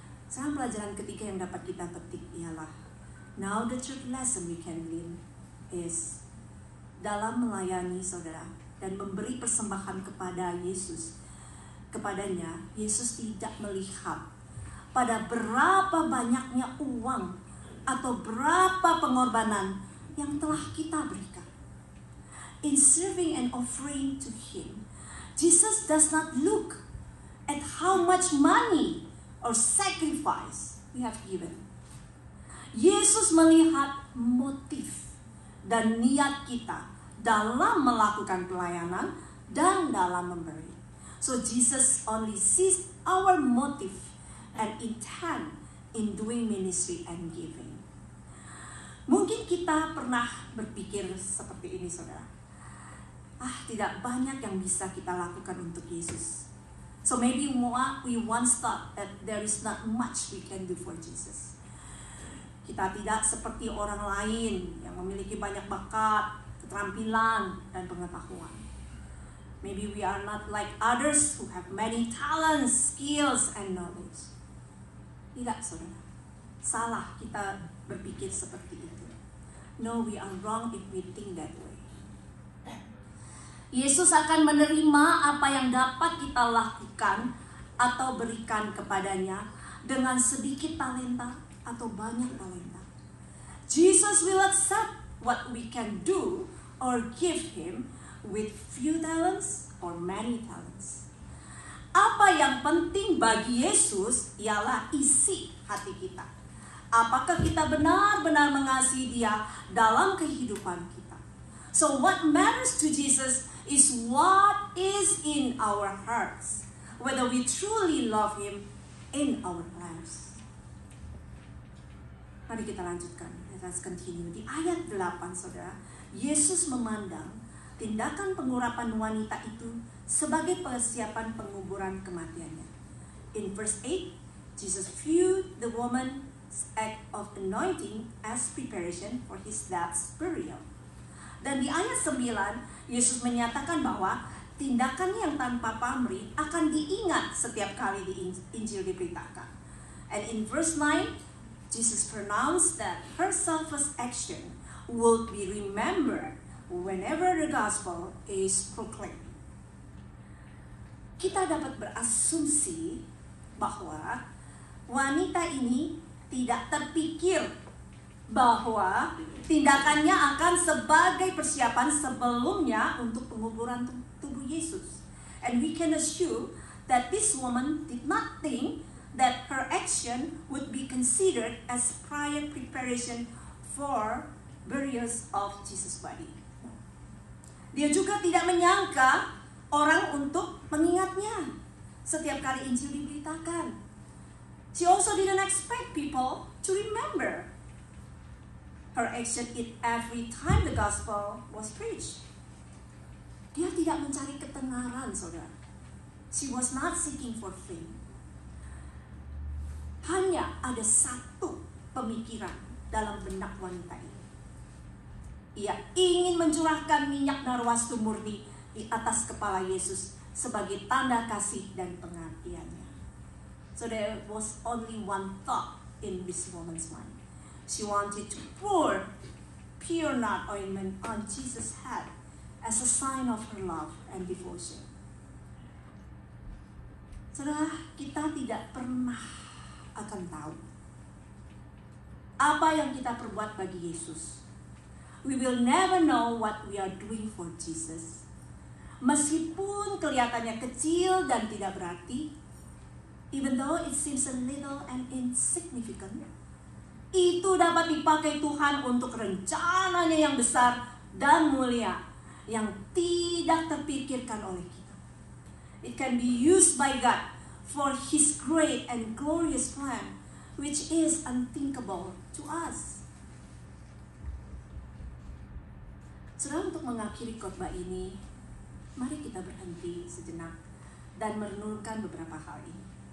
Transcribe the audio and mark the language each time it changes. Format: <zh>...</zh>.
<id>Salah pelajaran ketiga yang dapat kita petik ialah,</id> <en>now the third lesson we can learn is,</en> <id>dalam melayani saudara dan memberi persembahan kepada Yesus, kepadanya, Yesus tidak melihat pada berapa banyaknya uang atau berapa pengorbanan yang telah kita berikan.</id> <en>In serving and offering to him, Jesus does not look at how much money or sacrifice we have given.</en> <id>Yesus melihat motif dan niat kita dalam melakukan pelayanan dan dalam memberi.</id> <en>So Jesus only sees our motive and intent in doing ministry and giving.</en> <id>Mungkin kita pernah berpikir seperti ini, saudara. Ah, tidak banyak yang bisa kita lakukan untuk Yesus.</id> <en>So maybe we once thought that there is not much we can do for Jesus.</en> <id>Kita tidak seperti orang lain yang memiliki banyak bakat, keterampilan, dan pengetahuan.</id> <en>Maybe we are not like others who have many talents, skills, and knowledge.</en> <id>Tidak, saudara. Salah kita berpikir seperti itu.</id> <en>No, we are wrong if we think that way.</en> <id>Yesus akan menerima apa yang dapat kita lakukan atau berikan kepadanya dengan sedikit talenta atau banyak talenta.</id> <en>Jesus will accept what we can do or give him with few talents or many talents.</en> <id>Apa yang penting bagi Yesus ialah isi hati kita. Apakah kita benar-benar mengasihi dia dalam kehidupan kita?</id> <en>So what matters to Jesus is what is in our hearts, whether we truly love him in our lives.</en> <id>Mari kita lanjutkan.</id> <en>Let's continue.</en> <id>Di ayat 8, saudara, Yesus memandang tindakan pengurapan wanita itu sebagai persiapan penguburan kematiannya.</id> <en>In verse 8, Jesus viewed the woman's act of anointing as preparation for his dad's burial.</en> <id>Dan di ayat 9, Yesus menyatakan bahwa tindakan yang tanpa pamrih akan diingat setiap kali di Injil diberitakan.</id> <en>And in verse 9, Jesus pronounced that her selfless action will be remembered whenever the gospel is proclaimed.</en> <id>Kita dapat berasumsi bahwa wanita ini tidak terpikir bahwa tindakannya akan sebagai persiapan sebelumnya untuk penguburan tubuh Yesus.</id> <en>And we can assume that this woman did not think that her action would be considered as prior preparation for burials of Jesus' body.</en> <id>Dia juga tidak menyangka orang untuk mengingatnya setiap kali Injil diberitakan.</id> <en>She also didn't expect people to remember her action it every time the gospel was preached.</en> <id>Dia tidak mencari ketenaran, saudara.</id> <en>She was not seeking for fame.</en> <id>hanya ada satu pemikiran dalam benak wanita ini. Ia ingin mencurahkan minyak narwastu murni di atas kepala Yesus sebagai tanda kasih dan pengertiannya.</id> <en>So there was only one thought in this woman's mind. She wanted to pour pure nard ointment on Jesus' head as a sign of her love and devotion.</en> <id>Setelah kita tidak pernah akan tahu apa yang kita perbuat bagi Yesus.</id> <en>We will never know what we are doing for Jesus.</en> <id>Meskipun kelihatannya kecil dan tidak berarti,</id> <en>even though it seems a little and insignificant,</en> <id>itu dapat dipakai Tuhan untuk rencananya yang besar dan mulia yang tidak terpikirkan oleh kita.</id> <en>It can be used by God for His great and glorious plan, which is unthinkable to us.</en> <id>Sekarang untuk mengakhiri khotbah ini, mari kita berhenti sejenak dan merenungkan beberapa hal ini.</id>